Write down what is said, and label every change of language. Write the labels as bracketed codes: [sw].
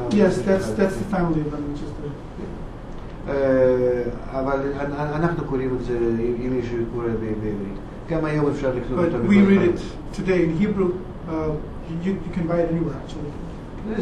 [en] Yes, that's the family of languages there. [he] אבל אנחנו קוראים את זה, אם מישהו קורא בעברית. גם היום אפשר לקנות אותו. [en] But we read it today in Hebrew. You can buy it anywhere, actually.